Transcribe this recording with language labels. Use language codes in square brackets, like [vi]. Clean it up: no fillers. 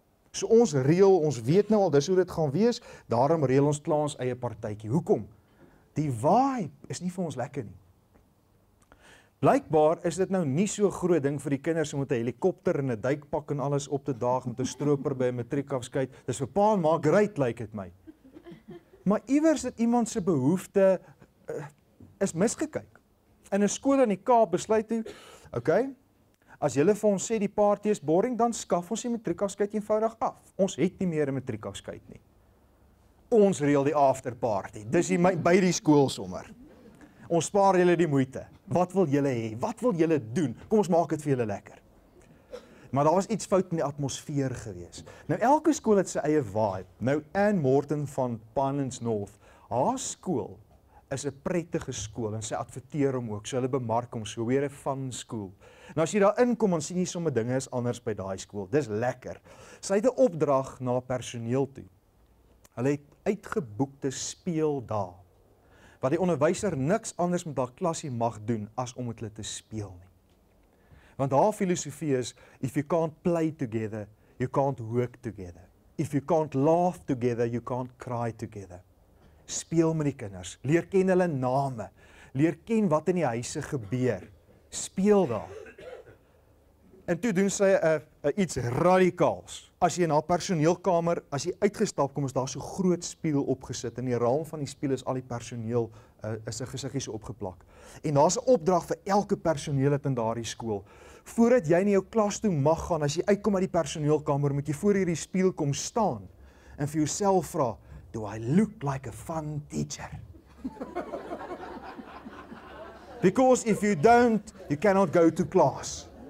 [af] So ons reël, ons weet nou al dis hoe dit gaan wees, daarom reël ons klaar ons eie partytjie. Hoekom? Die vibe is nie vir ons lekker nie. Blykbaar is dit nou nie so groot ding vir die kinders om met 'n helikopter en 'n duikpak en alles op te daag met 'n stroper by 'n matriekafskeid. Dis vir pa en ma great like dit my. Maar iewers het iemand se behoefte is misgekyk. In 'n skool in die Kaap besluit hy, okay, as julle vir ons sê die party is boring, dan skaf ons die matriekafskeid eenvoudig af. Ons het nie meer 'n matriekafskeid nie. Ons reël die afterparty. Dis by die skool sommer. Ons spaar julle die moeite. Wat wil julle hê? Wat wil julle doen? Kom ons maak dit vir julle lekker. Maar daar was iets fout in die atmosfeer gewees. Nou elke skool het sy eie vibe. Nou Ann Morton van Pinelands North, haar skool is 'n prettige skool en sy adverteer hom ook. So hulle bemark hom so weer 'n fun skool. Nou as jy daar inkom, dan sien jy sommer dinge is anders by daai skool. Dis lekker. Sy het 'n opdrag na personeel toe. Hulle het uitgeboekte speeldae. Wat die onderwyser niks anders met haar klasie mag doen as om met hulle te speel nie. Want haar filosofie is [en] if you can't play together, you can't work together. If you can't laugh together, you can't cry together. [af] Speel met die kinders, leer ken hulle name, leer ken wat in die huise gebeur. Speel daar. En toe doen sy iets radikaals. As jy in haar personeelkamer, as jy uitgestap kom, is daar so groot spieël opgesit. In die raam van die spieël is al die personeel is 'n gesiggies opgeplak. En daar's 'n opdrag vir elke personeel in daardie skool. Voordat jy in jou klas toe mag gaan, as jy uitkom uit die personeelkamer, moet jy voor hierdie spieël kom staan en vir jouself vra, [en] "Do I look like a fun teacher?" Because if you don't, you cannot go to class.